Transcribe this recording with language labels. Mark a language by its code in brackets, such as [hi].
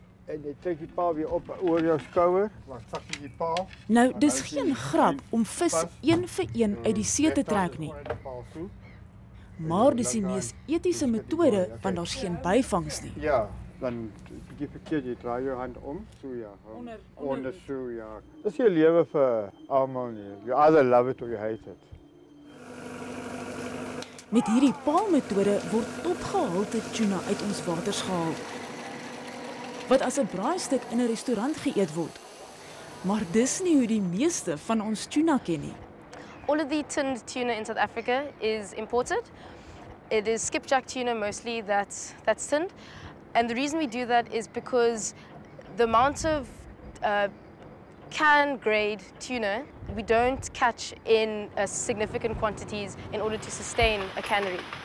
[af] En jy trek die paal weer op oor jou skouer, maar sak jy die paal. Nou, dis geen grap om vis een vir een uit die see te trek nie. Maar dis die mees etiese metode, want daar's geen byvangs nie. Ja, dan bietjie verkeerd, jy draai jou hand om, so ja. Onder so ja. Dis jou lewe vir almal nie. [en] You either love it or you hate it. [af] Met hierdie paalmetode word topgehalte tuna uit ons waters gehaal. Wat as 'n braaistuk in 'n restaurant geëet word. Maar dis nie hoe die meeste van ons tuna ken nie. [en] All of the tinned tuna in South Africa is imported. It is skipjack tuna mostly that's tinned. And the reason we do that is because the amount of can-grade tuna we don't catch in significant quantities in order to sustain a cannery.